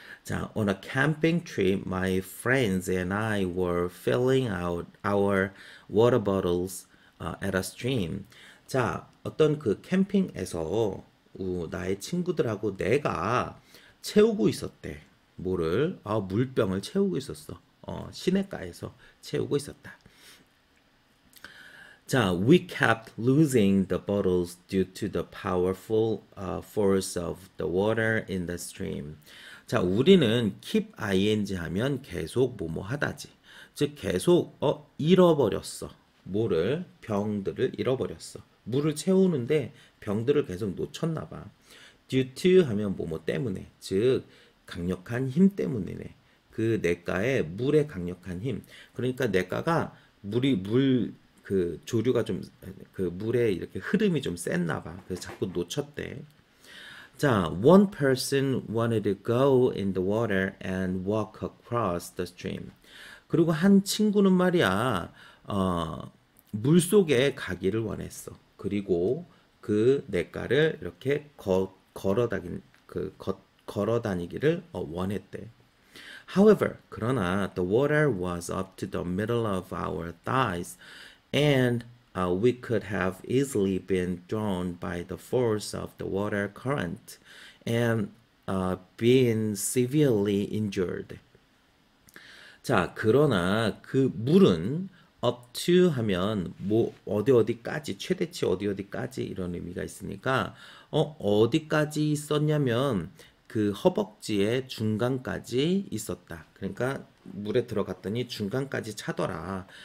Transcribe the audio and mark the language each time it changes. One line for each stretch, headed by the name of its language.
English: 자, on a camping trip, my friends and I were filling out our water bottles, at a stream.
Korean: 자, 어떤 그 캠핑에서 나의 친구들하고 내가 채우고 있었대. 뭐를? 아, 물병을 채우고 있었어. 시냇가에서 채우고 있었다.
English: 자, we kept losing the bottles due to the powerful force of the water in the stream.
Korean: 자, 우리는 keep ing 하면 계속 뭐뭐 하다지. 즉, 계속 잃어버렸어. 뭐를? 병들을 잃어버렸어. 물을 채우는데 병들을 계속 놓쳤나 봐. due to 하면 뭐뭐 때문에. 즉, 강력한 힘 때문이네. 그 냇가에 물의 강력한 힘. 그러니까 냇가가 그 조류가 좀, 그 물에 이렇게 흐름이 좀 셌나 봐. 그래서 자꾸 놓쳤대.
English: 자, one person wanted to go in the water and walk across the stream.
Korean: 그리고 한 친구는 말이야, 물 속에 가기를 원했어. 그리고 그 냇가를 이렇게 걸어 다니기를 원했대.
English: However,
Korean: 그러나
English: the water was up to the middle of our thighs. And we could have easily been drawn by the force of the water current and been severely injured.
Korean: 자, 그러나 그 물은 up to 하면 뭐 어디 어디까지 최대치 어디 어디까지 이런 의미가 있으니까 어디까지 있었냐면 그 허벅지의 중간까지 있었다. 그러니까 물에 들어갔더니 중간까지 차더라.